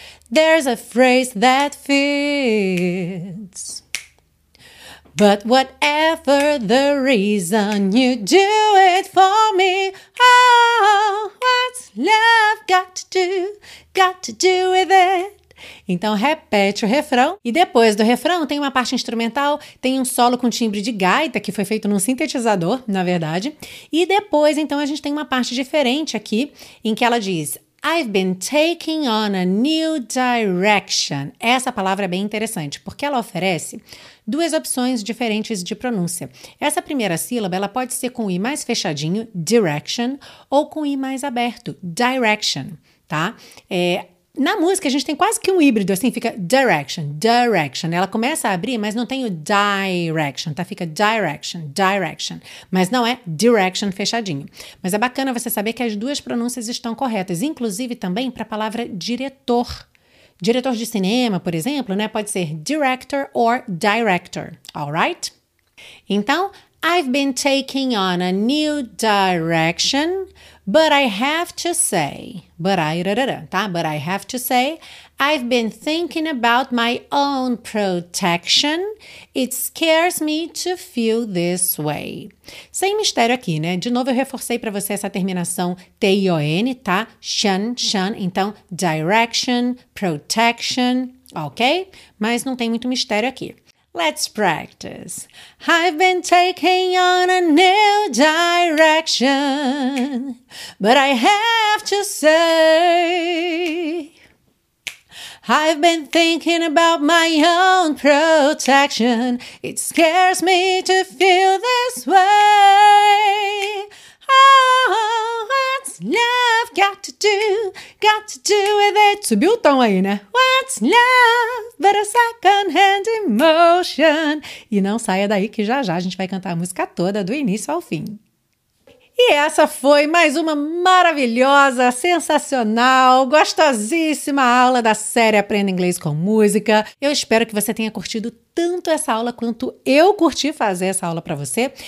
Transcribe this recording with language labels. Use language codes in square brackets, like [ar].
[en] There's a phrase that fits. But whatever the reason, you do it for me. Oh, what's love got to do with it? [pt] Então repete o refrão. E depois do refrão tem uma parte instrumental, tem um solo com timbre de gaita, que foi feito num sintetizador, na verdade. E depois, então, a gente tem uma parte diferente aqui, em que ela diz... [en] I've been taking on a new direction. [pt] Essa palavra é bem interessante, porque ela oferece duas opções diferentes de pronúncia. Essa primeira sílaba, ela pode ser com o I mais fechadinho, direction, ou com o I mais aberto, direction, tá? Na música, a gente tem quase que um híbrido, assim, fica direction, direction. Ela começa a abrir, mas não tem o direction, tá? Fica direction, direction. Mas não é direction fechadinho. Mas é bacana você saber que as duas pronúncias estão corretas. Inclusive, também, para a palavra diretor. Diretor de cinema, por exemplo, né? Pode ser [en] director or director, alright? Então, I've been taking on a new direction... But I have to say, but I have to say, I've been thinking about my own protection. It scares me to feel this way. [pt] Sem mistério aqui, né? De novo, eu reforcei para você essa terminação T-I-O-N, tá? Shun, shun. Então, direction, protection, ok? Mas não tem muito mistério aqui. [en] Let's practice. I've been taking on a new direction, but I have to say, I've been thinking about my own protection. It scares me to feel this way. Oh, what's love got to do with it? [pt] Subiu o tom aí, né? [en] What's love but a second-hand emotion? [pt] E não saia daí que já já a gente vai cantar a música toda, do início ao fim. E essa foi mais uma maravilhosa, sensacional, gostosíssima aula da série Aprenda Inglês com Música. Eu espero que você tenha curtido tanto essa aula quanto eu curti fazer essa aula para você.